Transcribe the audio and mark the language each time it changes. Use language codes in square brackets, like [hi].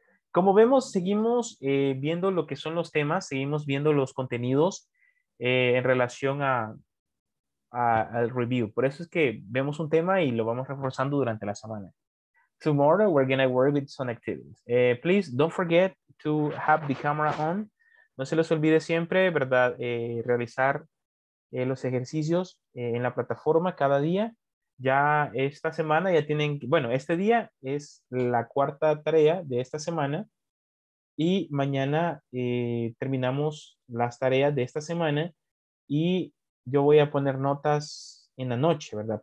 [es] Como vemos, seguimos viendo lo que son los temas, seguimos viendo los contenidos en relación al review. Por eso es que vemos un tema y lo vamos reforzando durante la semana. [en] Tomorrow we're going to work with some activities. Please don't forget to have the camera on. [es] No se les olvide siempre, ¿verdad? Realizar los ejercicios en la plataforma cada día. Ya esta semana ya tienen, bueno, este día es la cuarta tarea de esta semana y mañana terminamos las tareas de esta semana y yo voy a poner notas en la noche, ¿verdad?